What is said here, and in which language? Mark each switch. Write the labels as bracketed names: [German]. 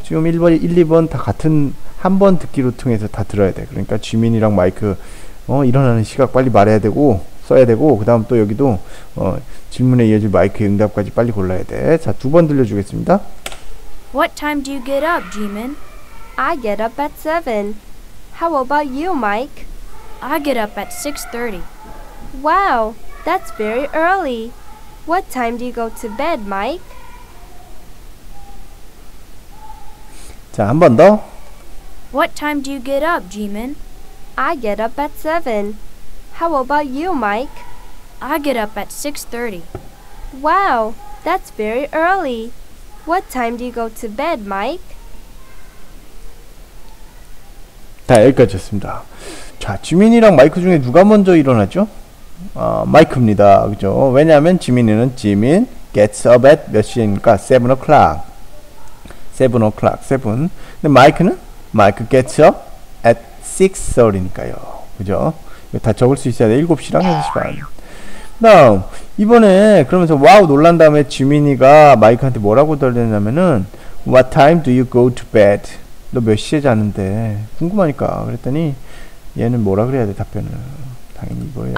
[Korean] 지금 1번, 1, 2번 다 같은 한 번 듣기로 통해서 다 들어야 돼. 그러니까 지민이랑 마이크 일어나는 시각 빨리 말해야 되고 써야 되고 그 다음 또 여기도 질문에 이어질 마이크 응답까지 빨리 골라야 돼. 자, 두 번 들려주겠습니다. [English] What time do you get up, Jimin? I get up at 7. How about you, Mike? I get up at 6:30. Wow, that's very early. What time do you go to bed, Mike? [Korean] 자, 한 번 더. [English] What time do you get up, Jimin? I get up at 7. How about you, Mike? I get up at 6:30. Wow, that's very early. What time do you go to bed, Mike? [Korean] 다 여기까지였습니다. 자, 지민이랑 마이크 중에 누가 먼저 일어나죠? 마이크입니다. 그죠? 왜냐하면 지민이는 지민 [English] gets up at [Korean] 몇 시입니까? [English] 7 o'clock. 7 o'clock. 7. [Korean] 근데 마이크는? 마이크 [English] gets up at [Korean] 6:30니까요. 그죠? 이거 다 적을 수 있어야 돼. 7시랑 6시 반. 다음, 이번에 그러면서 와우 놀란 다음에 지민이가 마이크한테 뭐라고 달렸냐면은 [English] What time do you go to bed? [Korean] 너 몇 시에 자는데? 궁금하니까 그랬더니 얘는 뭐라 그래야 돼 답변을 당연히 이거 해야지.